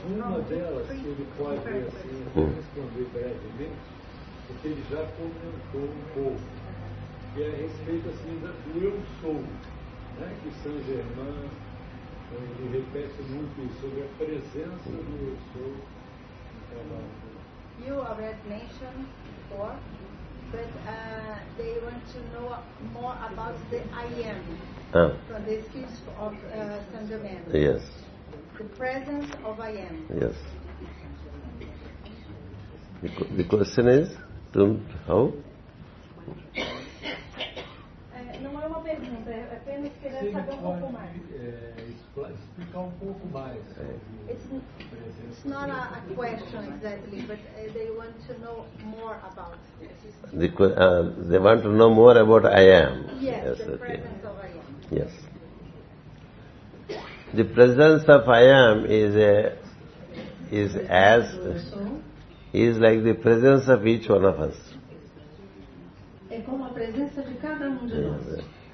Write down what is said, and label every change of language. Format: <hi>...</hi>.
<pt>Uma delas, que ele pode assim, responder brevemente, porque ele já comentou um pouco, que é a respeito assim, do eu sou, né? Que São Germain, ele repete muito isso, sobre a presença do eu sou no trabalho.</pt> <en>You already mentioned before, but they want to know more about the I am. From the speech of Saint Germain. Yes. The presence of I am. Yes. The question is, to how?</en> <pt>Não é uma pergunta, é apenas querer saber um pouco mais. Explicar um pouco mais.</pt> <en>It's not a question exactly, but they want to know more about this. They want to know more about I am. Yes, the presence of I am. Yes. The presence of I am is like the presence of each one of us.</en> <pt>É como a presença de cada um de nós.</pt>